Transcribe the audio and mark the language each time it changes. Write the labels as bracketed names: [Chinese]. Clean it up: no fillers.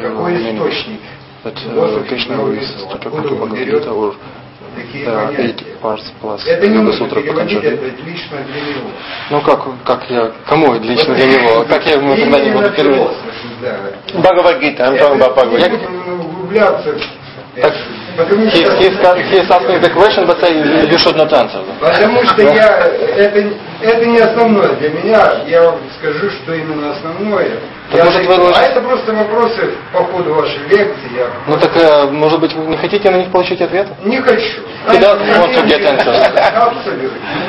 [Russian] Какой источник? [English] That Krishna is talking about Bhagavad Gita or the eight parts plus Yoga Sutra Patanjali. [Russian] Ну как я, кому лично для него? Как я ему тогда не буду переводить? [English] Bhagavad Gita, I'm talking about Bhagavad Gita. He's asking the question, but you should not answer. [Russian] Потому что я, это не основное для меня, я скажу, что именно основное. Это просто вопросы по ходу вашей лекции. Ну так, может быть, вы не хотите на них получить ответ? Не хочу. [English] He doesn't want to get answers. [Russian] Абсолютно.